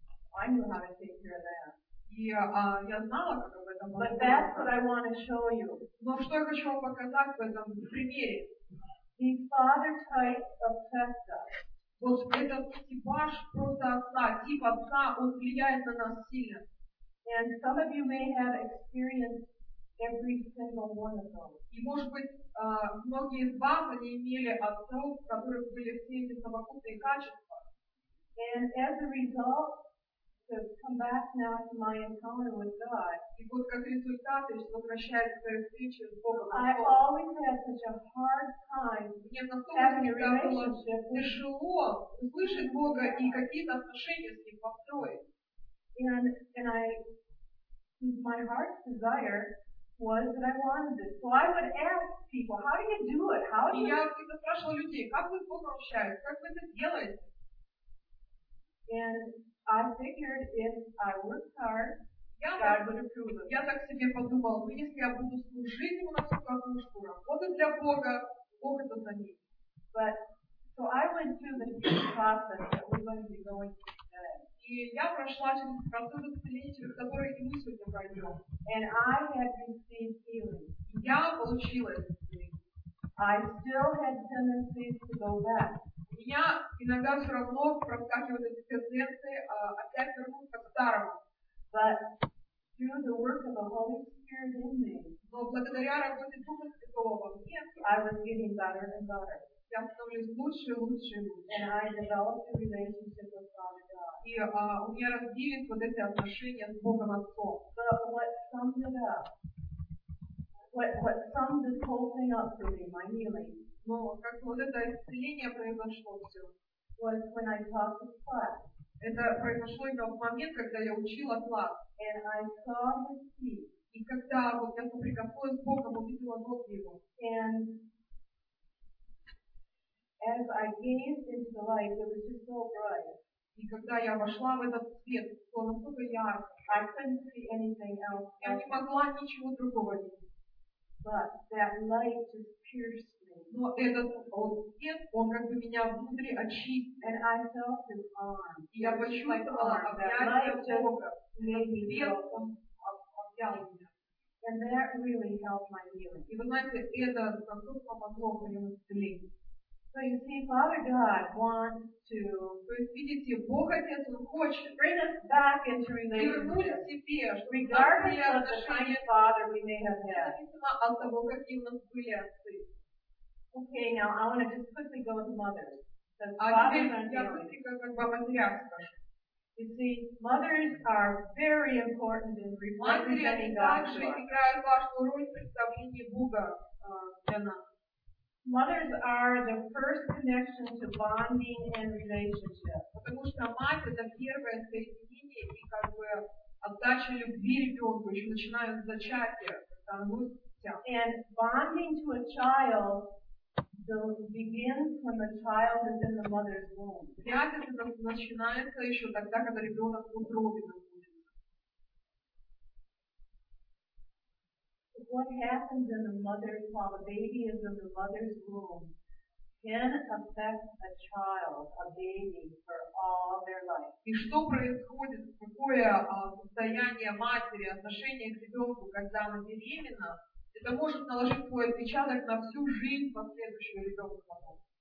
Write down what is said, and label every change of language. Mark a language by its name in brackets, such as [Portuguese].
[English] I knew how to take care of that. [Russian] Я знала, как об этом [English] But that's what I want to show you. [Russian] Но что я хочу вам показать в этом примере? [English] The father type of Tessa was [Russian] этот типаж просто отца, тип отца, он влияет на нас сильно. [English] And some of you may have experienced every single one of them. [Russian] И, может быть, многие из вас они имели отцов, которые были все эти совокупные качества. [English] And as a result, to come back now to my encounter with God. [Russian] И вот как результат, я сейчас возвращаюсь к своей встрече с Богом. [English] I always had such a hard time having a relationship. [Russian] Мне тяжело услышать Бога и какие-то отношения с ним построить. [English] And I, my heart's desire was that I wanted it. So I would ask people, how do you do it? How do you? [Russian] Я всегда спрашивала людей, как вы с Богом общаетесь, как вы это делаете? [English] And I figured if I worked hard, God would approve of it. [Russian] Я так себе подумала, ну если я буду служить ему на всю готовую шкуру, работать для Бога, Бог это заметит. [English] But so I went through the healing process that we're going to be going through. [Russian] И я прошла через процесс исцеления, через который и мы сегодня пройдем. [English] And I had received healing. [Russian] Я получила исцеление. [English] I still had tendencies to go back. [Russian] У меня иногда все равно проскакивают эти тенденции, опять вернуться к старому. [English] But through the work of the Holy Spirit in me. [Russian] Но благодаря работе Духа Святого во мне. [English] I was getting better and better. [Russian] Я становлюсь лучше и лучше и лучше. [English] And I developed a relationship with Father God. [Russian] И у меня развились вот эти отношения с Богом Отцом. [English] But what summed it up? What summed this whole thing up for me, my healing? [Russian] Но как вот это исцеление произошло все. [English] Was when I taught the class. [Russian] Это произошло именно в момент, когда я учила класс. [English] And I saw his feet. [Russian] И когда вот я соприкоснулась с Богом, увидела ноги его. [English] And as I gazed into the light, it was just so bright. [Russian] И когда я вошла в этот свет, то настолько ярко. [English] I couldn't see anything else. [Russian] Я не могла ничего другого видеть. [English] But that light just pierced me. [Russian] Но этот свет, он как бы меня внутри очистил. [English] And I felt his arm. [Russian] И я почувствовала объятие Бога. [English] Made me feel. [Russian] Он объял меня. [English] And that really helped my healing. [Russian] И вы знаете, это настолько помогло моему исцелению. [English] So you see, Father God wants to. [Russian] То есть видите, Бог Отец он хочет. [English] Bring us back into relationship. Regardless of the kind of father we may have had. [Russian] Независимо от того, какие у нас были отцы. [English] Okay, now I want to just quickly go with mothers. You see, mothers are very important in representing God. [Russian] Матери играют важную роль в представлении Бога для нас. [English] Mothers are the first connection to bonding and relationship. [Russian] Потому что мать это первое соединение и как бы отдача любви ребенку еще начиная с зачатия. [English] And bonding to a child begins when the child is in the mother's womb. [Russian] Связь это начинается еще тогда, когда ребенок в утробе находится. [English] What happens in the mother's while the baby is in the mother's womb can affect a child, a baby, for all their life. [Russian] И что происходит, какое состояние матери, отношение к ребенку, когда она беременна, это может наложить свой отпечаток на всю жизнь последующего ребенка потом.